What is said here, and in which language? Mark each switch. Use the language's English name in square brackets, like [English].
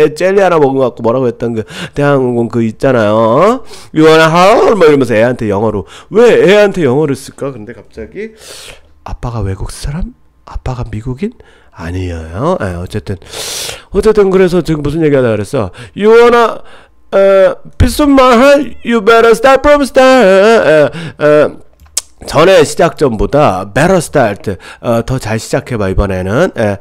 [Korean] 젤리 하나 먹은 것 같고 뭐라고 했던 그 대한항공 그 있잖아요. [English] 어? You wanna hold? [Korean] 뭐 이러면서 애한테 영어로 왜 애한테 영어를 쓸까? 근데 갑자기 아빠가 외국 사람? 아빠가 미국인? 아니에요. 에, 어쨌든 그래서 지금 무슨 얘기하다 그랬어? [English] You wanna... peace of my heart, you better start from start. [Korean] 전에 시작 전보다 [English] better start. [Korean] 더 잘 시작해봐 이번에는.